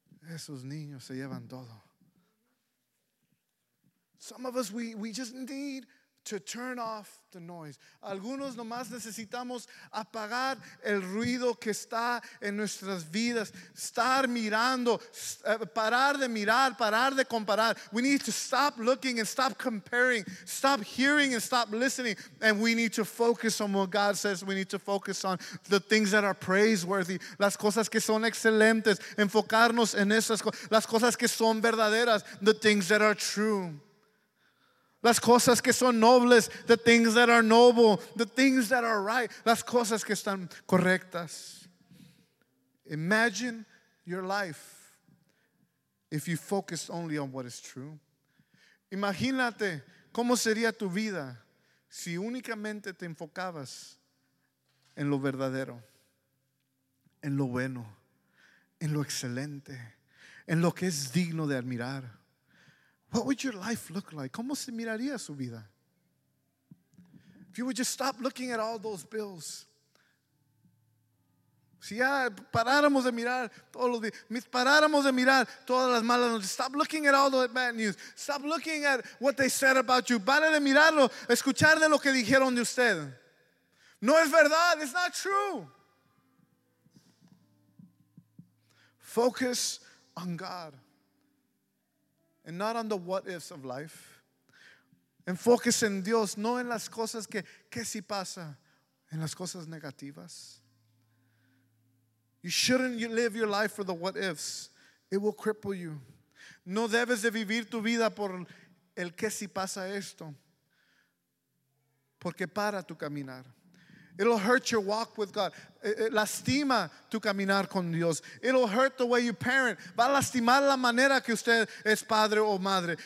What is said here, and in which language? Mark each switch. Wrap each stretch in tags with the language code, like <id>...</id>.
<es>Esos niños se llevan todo.</es> <en>Some of us, we just need to turn off the noise.</en> <es>Algunos nomás necesitamos apagar el ruido que está en nuestras vidas. Estar mirando, parar de mirar, parar de comparar.</es> <en>We need to stop looking and stop comparing. Stop hearing and stop listening. And we need to focus on what God says. We need to focus on the things that are praiseworthy.</en> <es>Las cosas que son excelentes. Enfocarnos en esas cosas. Las cosas que son verdaderas.</es> <en>The things that are true.</en> <es>Las cosas que son nobles,</es> <en>the things that are noble, the things that are right,</en> <es>las cosas que están correctas.</es> <en>Imagine your life if you focused only on what is true.</en> <es>Imagínate cómo sería tu vida si únicamente te enfocabas en lo verdadero, en lo bueno, en lo excelente, en lo que es digno de admirar.</es> <en>What would your life look like?</en> <es>¿Cómo se miraría su vida?</es> <en>If you would just stop looking at all those bills,</en> <es>Si ya paráramos de mirar todos los días, paráramos de mirar todas las malas noticias.</es> <en>Stop looking at all the bad news. Stop looking at what they said about you.</en> <es>Para de mirarlo, escuchar de lo que dijeron de usted. No es verdad.</es> <en>It's not true. Focus on God and not on the what ifs of life.</en> <es>Enfóquese en Dios, no en las cosas que si pasa, en las cosas negativas.</es> <en>You shouldn't live your life for the what ifs. It will cripple you.</en> <es>No debes de vivir tu vida por el que si pasa esto, porque para tu caminar.</es> <en>It'll hurt your walk with God.</en> <es>Lastima tu caminar con Dios.</es> <en>It'll hurt the way you parent.</en> <es>Va a lastimar la manera que usted es padre o madre.</es>